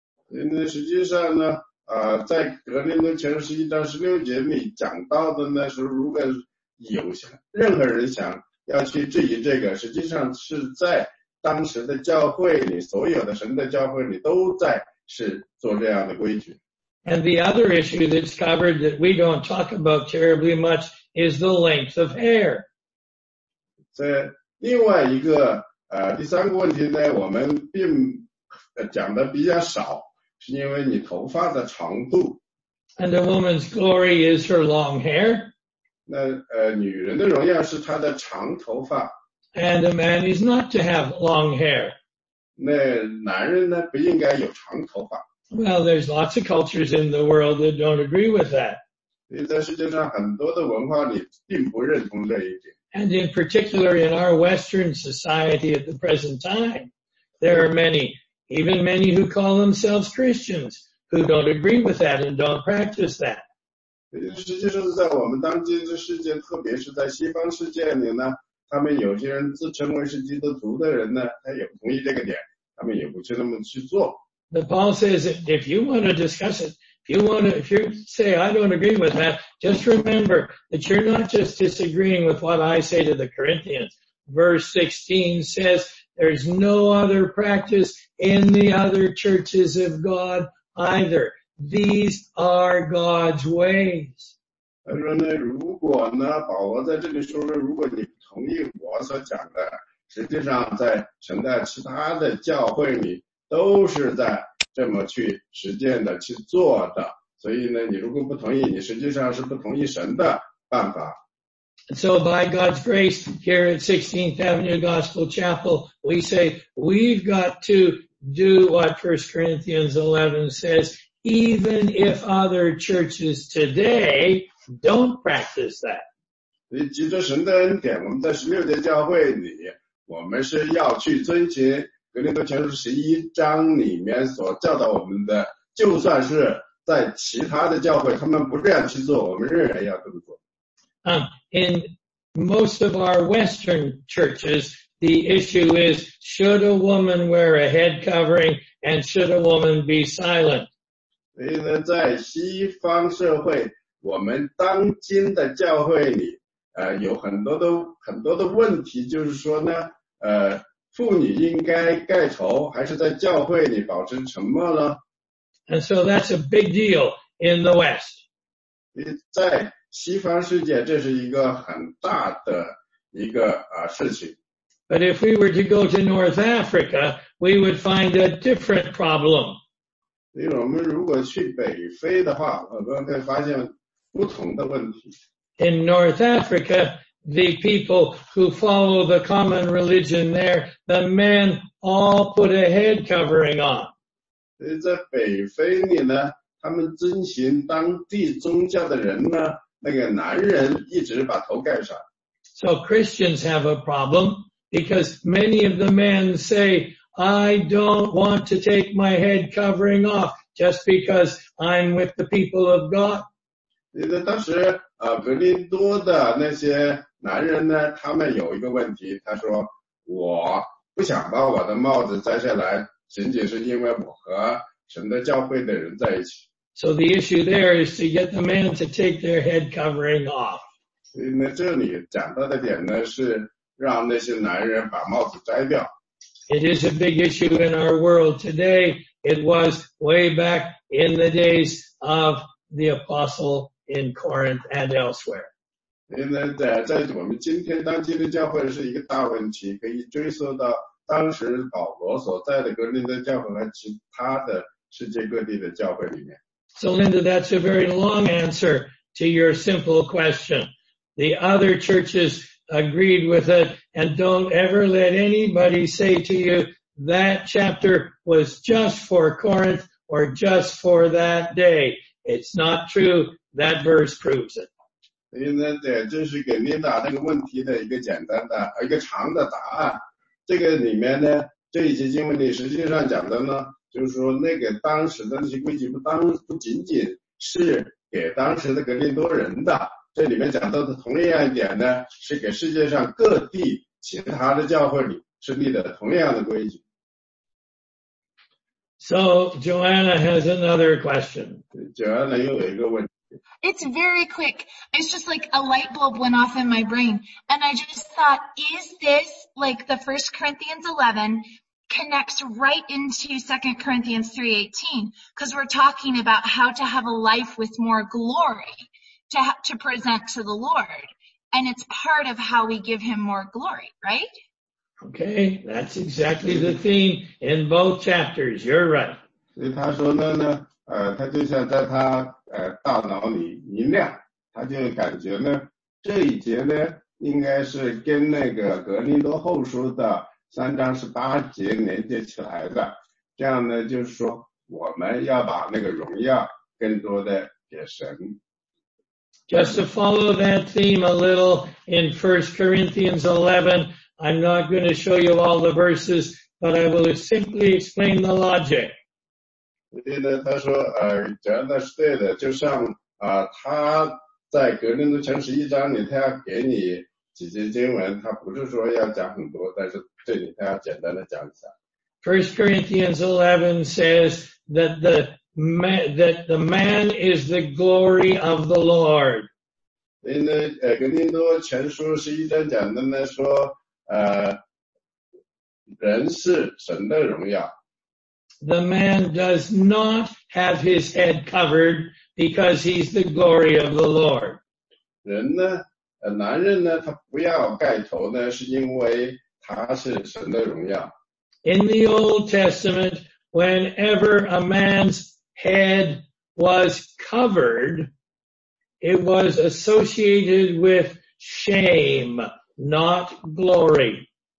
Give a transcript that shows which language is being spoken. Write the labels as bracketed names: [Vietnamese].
[Chinese] 因为实际上呢，在格林多前书一章十六节里讲到的呢，是如果有任何人想要去质疑这个，实际上是在当时的教会里，所有的神的教会里都在是做这样的规矩。 [English] And the other issue that's covered that we don't talk about terribly much is the length of hair. [Chinese] 在另外一个第三个问题呢，我们并讲的比较少。是因为你头发的长度。 [English] And a woman's glory is her long hair. [Chinese] 那女人的荣耀是她的长头发。 [English] And a man is not to have long hair. [Chinese] 那男人呢不应该有长头发。 [English] Well, there's lots of cultures in the world that don't agree with that. [Chinese] 在世界上很多的文化里并不认同这一点。 [English] And in particular in our Western society at the present time, there are many even many who call themselves Christians who don't agree with that and don't practice that. [Chinese] 实际上在我们当今的世界，特别是在西方世界里呢，他们有些人自称为是基督徒的人呢，他也同意这个点，他们也不去那么去做。 [English] The Paul says, if you want to discuss it, if you say, I don't agree with that, just remember that you're not just disagreeing with what I say to the Corinthians. Verse 16 says, there's no other practice in the other churches of God either. These are God's ways. [Chinese] 他说呢，如果呢，保罗在这里说呢，如果你不同意我所讲的，实际上在神的其他的教会里都是在这么去实践的，去做的。所以呢，你如果不同意，你实际上是不同意神的办法。 [English] So by God's grace, here at 16th Avenue Gospel Chapel, we say we've got to do what 1 Corinthians 11 says, even if other churches today don't practice that. [Chinese] 基督神的恩典，我们在十六届教会里，我们是要去遵循格林多前书十一章里面所教导我们的，就算是在其他的教会，他们不这样去做，我们仍然要这么做。 [English] In most of our Western churches, the issue is, should a woman wear a head covering and should a woman be silent? [Chinese] 所以呢，在西方社会，我们当今的教会里，有很多的问题，就是说呢，妇女应该盖头，还是在教会里保持沉默呢？ [English] And so that's a big deal in the West. [Chinese] 在西方世界，这是一个很大的一个事情。 [English] But if we were to go to North Africa, we would find a different problem. [Chinese] 因为我们如果去北非的话，我们会发现不同的问题。 [English] In North Africa, the people who follow the common religion there, the men all put a head covering on. [Chinese] 在北非里呢，他们遵循当地宗教的人呢，那个男人一直把头盖上。 [English] So Christians have a problem because many of the men say, I don't want to take my head covering off just because I'm with the people of God. [Chinese] 当时格林多的那些男人呢，他们有一个问题，他说我不想把我的帽子摘下来，仅仅是因为我和神的教会的人在一起。 [English] So the issue there is to get the man to take their head covering off. [Chinese] 那这里讲到的点呢，是让那些男人把帽子摘掉。 [English] It is a big issue in our world today. It was way back in the days of the apostle in Corinth and elsewhere. [Chinese] 那在我们今天当今的教会是一个大问题，可以追溯到当时保罗所在的格林多教会和其他的世界各地的教会里面。 [English] So Linda, that's a very long answer to your simple question. The other churches agreed with it, and don't ever let anybody say to you, that chapter was just for Corinth or just for that day. It's not true. That verse proves it. [Chinese] 这是给 Linda 这个问题的一个简单的一个长的答案。这个里面呢，这一节经文里实际上讲的呢，就是说那个当时的那些规矩不仅仅是给当时的格林多人的，这里面讲到的同样一点呢，是给世界上各地其他的教会里设立的同样的规矩。 [English] So, Joanna has another question. [Chinese] Joanna 又有一个问题。 [English] It's very quick. It's just like a light bulb went off in my brain. And I just thought, is this like the 1 Corinthians 11, connects right into 2 Corinthians 3:18, because we're talking about how to have a life with more glory to present to the Lord. And it's part of how we give him more glory, right? Okay, that's exactly the theme in both chapters. You're right. [Chinese] 所以他说呢他就像在他大脑里一亮，他就感觉呢，这一节呢，应该是跟那个格林多后书的三章十八节连接起来的，这样呢，就是说我们要把那个荣耀更多的给神。 [English] Just to follow that theme a little in 1 Corinthians 11, I'm not going to show you all the verses, but I will simply explain the logic. [Chinese] 所以呢，他说，讲的是对的，就像他在格林多前十一章里，他要给你几节经文，他不是说要讲很多，但是对你他要简单的讲一下。 [English] First Corinthians 11 says that the man is the glory of the Lord. [Chinese] 格林多前书十一章讲的呢，说人是神的荣耀。 [English] The man does not have his head covered because he's the glory of the Lord. [Chinese] 人呢？男人呢，他不要盖头呢，是因为他是神的荣耀。 [English] In the Old Testament, whenever a man's head was covered, it was associated with shame, not glory.